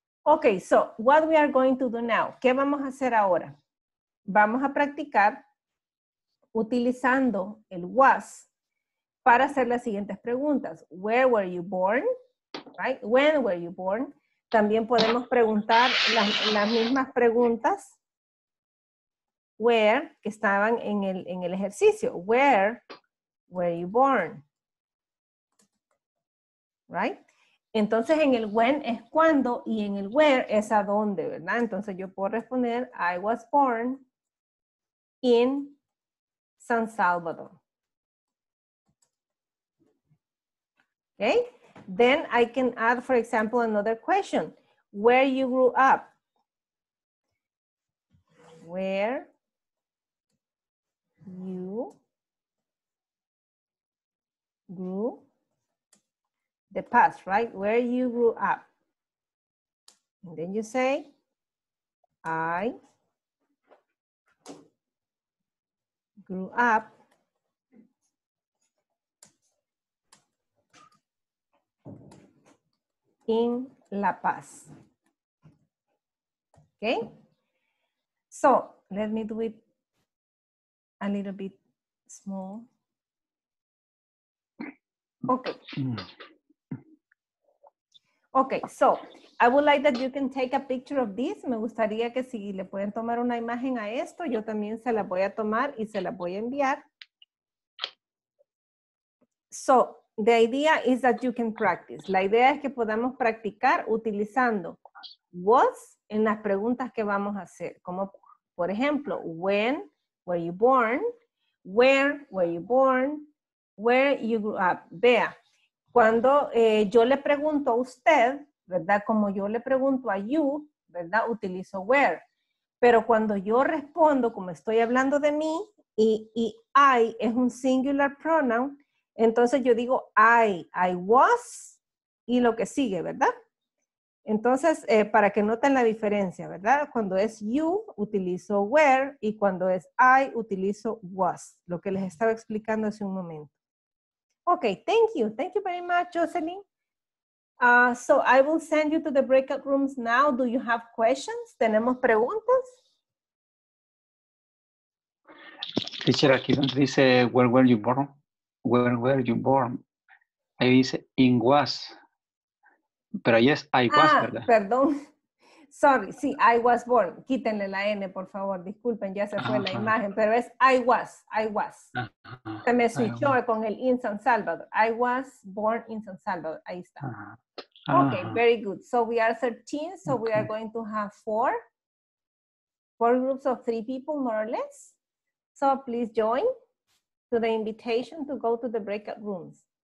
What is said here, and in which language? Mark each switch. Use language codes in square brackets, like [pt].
[en] Ok, so, what we are going to do now? [es] ¿Qué vamos a hacer ahora? Vamos a practicar utilizando el was para hacer las siguientes preguntas. [en] Where were you born? Right? When were you born? [es] También podemos preguntar las mismas preguntas. Where, que estaban en el ejercicio. [en] Where were you born? Right? [es] Entonces, en el when es cuando y en el where es a dónde, ¿verdad? Entonces, yo puedo responder, [en] I was born in San Salvador. Okay? Then I can add, for example, another question. Where you grew up? Where you grew up? The past, right? Where you grew up. And then you say, I grew up in La Paz. Okay? So, let me do it a little bit small. Okay. Okay, so, I would like that you can take a picture of this. [es] Me gustaría que si le pueden tomar una imagen a esto, yo también se la voy a tomar y se la voy a enviar. [en] So, the idea is that you can practice. [es] La idea es que podamos practicar utilizando was en las preguntas que vamos a hacer. Como, por ejemplo, [en] when were you born? Where were you born? Where you grew up? Vea. [es] Cuando yo le pregunto a usted, ¿verdad? Como yo le pregunto a you, ¿verdad? Utilizo where. Pero cuando yo respondo, como estoy hablando de mí, y I es un [en] singular pronoun, [es] entonces yo digo I was, y lo que sigue, ¿verdad? Entonces, para que noten la diferencia, ¿verdad? Cuando es you, utilizo where, y cuando es I, utilizo was, lo que les estaba explicando hace un momento. [en] Okay, thank you very much, Jocelyn. So I will send you to the breakout rooms now. Do you have questions? [es] ¿Tenemos preguntas? Teacher, aquí donde dice, [en] where were you born? Where were you born? [es] Ahí dice, [en] in was. [es] Pero ahí es, [en] I was, [es] ¿verdad? Perdón. Sorry, sí, [en] I was born. [es] Quítenle la N, por favor. Disculpen, ya se fue la imagen. Pero es I was. Se me switchó con el [en] in San Salvador. I was born in San Salvador. [es] Ahí está. [en] Okay, very good. So we are 13, so okay. We are going to have four groups of three people, more or less. So please join to the invitation to go to the breakout rooms.